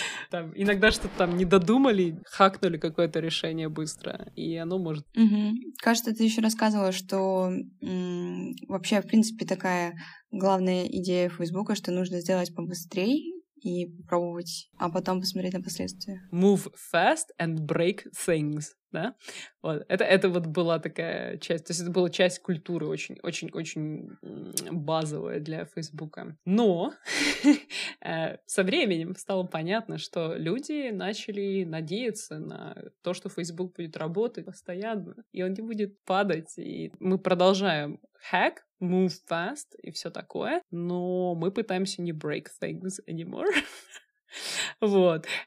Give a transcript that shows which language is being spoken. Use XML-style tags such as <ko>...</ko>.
<ru>Там иногда что-то там не додумали, хакнули какое-то решение быстро, и оно может... Кажется, ты еще рассказывала, что вообще, в принципе, такая главная идея Фейсбука, что нужно сделать побыстрее и попробовать, а потом посмотреть на последствия.</ru> <en>Move fast and break things.</en> <ru>Да? Вот. Это вот была такая часть, то есть это была часть культуры очень-очень-очень базовая для Фейсбука. Но со временем стало понятно, что люди начали надеяться на то, что Фейсбук будет работать постоянно, и он не будет падать, и мы продолжаем hack,</ru> <en>move fast</en> <ru>и все такое, но мы пытаемся не</ru> <en>break things anymore.</en> <ru>Вот.</ru>